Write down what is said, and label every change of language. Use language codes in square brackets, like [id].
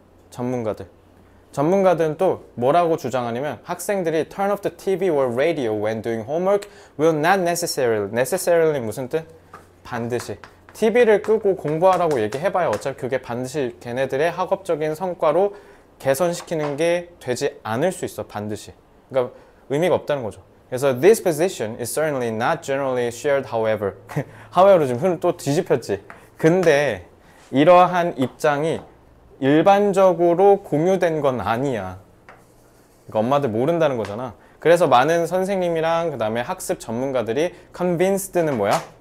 [ko] 전문가들. 전문가들은 또 뭐라고 주장하냐면 학생들이 [en] turn off the TV or radio when doing homework will not necessarily. [ko] necessarily 무슨 뜻? 반드시. TV를 끄고 공부하라고 얘기해봐야 어차피 그게 반드시 걔네들의 학업적인 성과로 개선시키는 게 되지 않을 수 있어, 반드시. 그러니까 의미가 없다는 거죠. [en] 그래서 this position is certainly not generally shared, however. [ko] however로 지금 흐름 또 뒤집혔지. 근데 이러한 입장이 일반적으로 공유된 건 아니야. 그러니까 엄마들 모른다는 거잖아. 그래서 많은 선생님이랑 그다음에 학습 전문가들이 convinced는 뭐야?